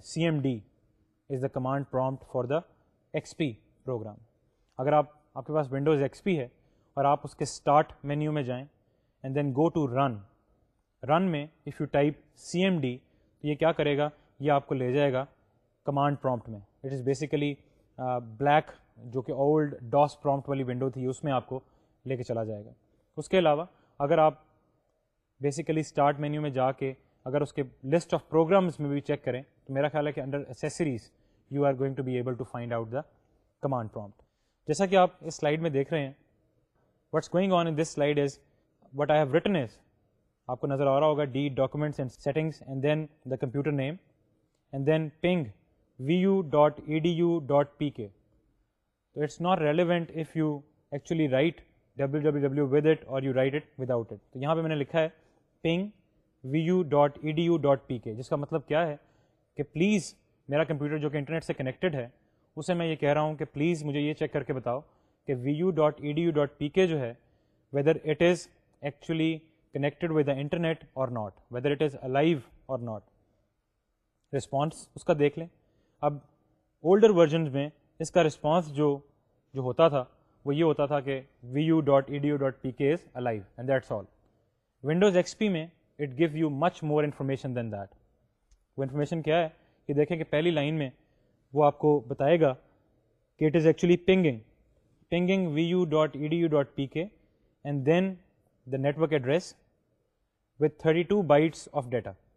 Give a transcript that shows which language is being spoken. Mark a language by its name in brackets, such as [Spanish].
[English] C M D is the command prompt for the X P program. [Urdu] اگر آپ کے پاس Windows x پی ہے اور آپ اس کے اسٹارٹ مینیو میں جائیں [English] and then go to run, [Urdu] رن میں [English] if you type C M D [Urdu] تو یہ کیا کرے گا, یہ آپ کو لے جائے گا کمانڈ پرومپٹ میں. [English] it is basically black [Urdu] جو کہ اولڈ ڈاس پرومپٹ والی ونڈو تھی اس میں آپ کو لے کے چلا جائے گا. اس کے علاوہ اگر آپ بیسیکلی اسٹارٹ مینیو میں جا کے اگر اس کے لسٹ آف پروگرامز میں بھی چیک کریں تو میرا خیال ہے کہ under accessories [English] You are going to be able to find out the command prompt. [Urdu] جیسا کہ آپ اس سلائڈ میں دیکھ رہے ہیں, [English] what's going on in this slide is what I have written is, [Urdu] آپ کو نظر آ رہا ہوگا [English] D documents and settings and then the computer name and then ping vu.edu.pk. So it's not relevant if you actually write www with it or you write it without it. So here I have written ping vu.edu.pk, which means that please, my computer which is connected to the internet, I'm saying that please check and tell me vu.edu.pk whether it is actually connected with the internet or not, whether it is alive or not. Response, let's see that. [Urdu] اب older versions میں اس کا response جو ہوتا تھا وہ یہ ہوتا تھا کہ vu.edu.pk [English] is alive and that's all. Windows XP [Urdu] میں [English] it gives you much more information than that. [Urdu] وہ انفارمیشن کیا ہے یہ دیکھیں کہ پہلی لائن میں وہ آپ کو بتائے گا کہ [English] It is actually pinging vu.edu.pk and then the network address with 32 bytes of data.